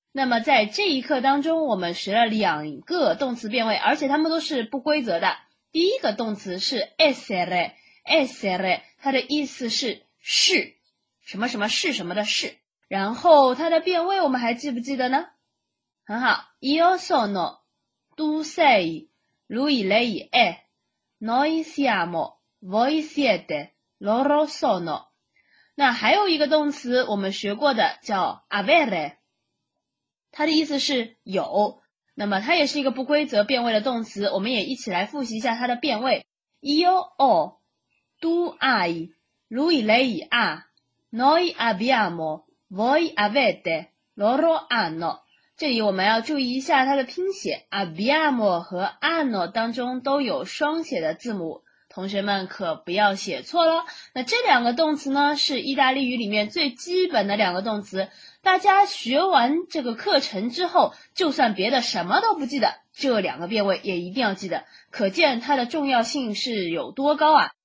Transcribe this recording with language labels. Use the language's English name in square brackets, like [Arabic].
[Chinese] 那么在这一课当中我们学了两个动词变位，而且它们都是不规则的。第一个动词是 essere， essere， 它的意思是是什么什么是什么的是，然后它的变位我们还记不记得呢？很好， [Italian] io sono， tu sei，lui lei è， noi siamo， voi siete， loro sono。 [Chinese] 那还有一个动词我们学过的叫 avere， 它的意思是有。那么它也是一个不规则变位的动词，我们也一起来复习一下它的变位。 [Italian] io ho， tu hai， lui lei ha， noi abbiamo， voi avete， loro hanno。 [Chinese] 这里我们要注意一下它的拼写， abbiamo 和 hanno 当中都有双写的字母，同学们可不要写错了。那这两个动词呢，是意大利语里面最基本的两个动词，大家学完这个课程之后，就算别的什么都不记得，这两个变位也一定要记得，可见它的重要性是有多高啊。